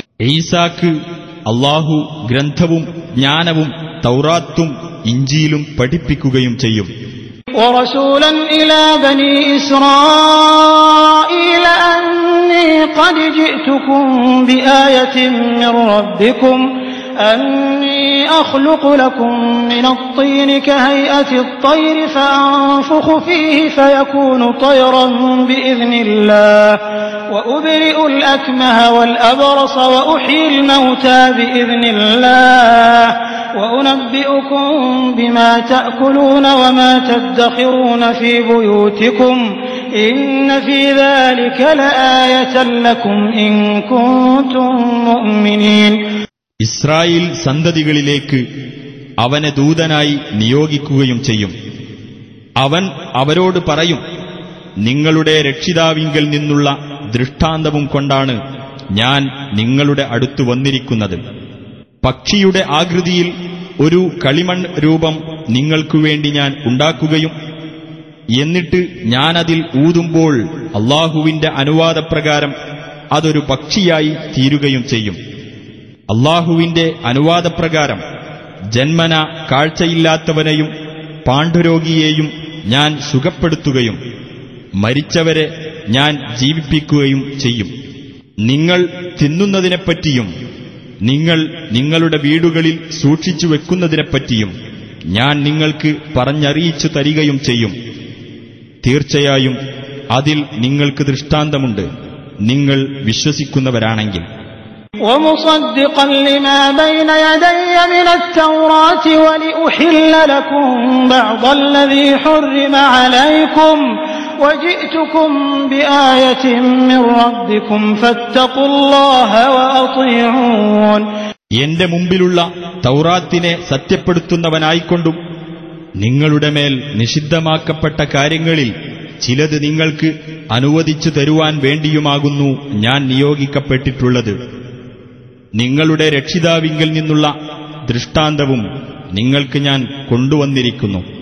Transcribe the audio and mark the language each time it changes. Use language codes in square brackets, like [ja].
[ml] ഈസാക്ക് അല്ലാഹു ഗ്രന്ഥവും ജ്ഞാനവും തൗറാത്തും ഇഞ്ചിയിലും പഠിപ്പിക്കുകയും ചെയ്യും. [ar] അന്നി ഖദ് ജിഅ്തുകും ബിആയതിൻ മിർ റബ്ബികും أني أخلق لكم من الطين كهيئة الطير فأنفخ فيه فيكون طيرا بإذن الله وأبرئ الأكمه والأبرص وأحيي الموتى بإذن الله وأنبئكم بما تأكلون وما تدخرون في بيوتكم إن في ذلك لآية لكم إن كنتم مؤمنين. [ml] ഇസ്രായേൽ സന്തതികളിലേക്ക് അവനെ ദൂതനായി നിയോഗിക്കുകയും ചെയ്യും. അവൻ അവരോട് പറയും, നിങ്ങളുടെ രക്ഷിതാവിങ്കിൽ നിന്നുള്ള ദൃഷ്ടാന്തവും കൊണ്ടാണ് ഞാൻ നിങ്ങളുടെ അടുത്തു വന്നിരിക്കുന്നത്. പക്ഷിയുടെ ആകൃതിയിൽ ഒരു കളിമൺ രൂപം നിങ്ങൾക്കുവേണ്ടി ഞാൻ ഉണ്ടാക്കുകയും എന്നിട്ട് ഞാനതിൽ ഊതുമ്പോൾ അള്ളാഹുവിന്റെ അനുവാദപ്രകാരം അതൊരു പക്ഷിയായി തീരുകയും ചെയ്യും. അള്ളാഹുവിന്റെ അനുവാദപ്രകാരം ജന്മന കാഴ്ചയില്ലാത്തവനെയും പാണ്ഡുരോഗിയെയും ഞാൻ സുഖപ്പെടുത്തുകയും മരിച്ചവരെ ഞാൻ ജീവിപ്പിക്കുകയും ചെയ്യും. നിങ്ങൾ തിന്നുന്നതിനെപ്പറ്റിയും നിങ്ങൾ നിങ്ങളുടെ വീടുകളിൽ സൂക്ഷിച്ചു വെക്കുന്നതിനെപ്പറ്റിയും ഞാൻ നിങ്ങൾക്ക് പറഞ്ഞറിയിച്ചു തരികയും ചെയ്യും. തീർച്ചയായും അതിൽ നിങ്ങൾക്ക് ദൃഷ്ടാന്തമുണ്ട് നിങ്ങൾ വിശ്വസിക്കുന്നവരാണെങ്കിൽ. [ar] ومصدقا لما بين يدي من التوراة ولأحل لكم بعض الذي حرم عليكم وجئتكم بآية من ربكم فاتقوا الله وأطيعون. [ml] എന്റെ മുമ്പിലുള്ള തൗറാത്തിനെ സത്യപ്പെടുത്തുന്നവനായിക്കൊണ്ടും നിങ്ങളുടെ മേൽ നിഷിദ്ധമാക്കപ്പെട്ട കാര്യങ്ങളിൽ ചിലത് നിങ്ങൾക്ക് അനുവദിച്ചു തരുവാൻ വേണ്ടിയുമാകുന്നു ഞാൻ നിയോഗിക്കപ്പെട്ടിട്ടുള്ളത്. നിങ്ങളുടെ രക്ഷിതാവിങ്കിൽ നിന്നുള്ള ദൃഷ്ടാന്തവും നിങ്ങൾക്ക് ഞാൻ കൊണ്ടുവന്നിരിക്കുന്നു.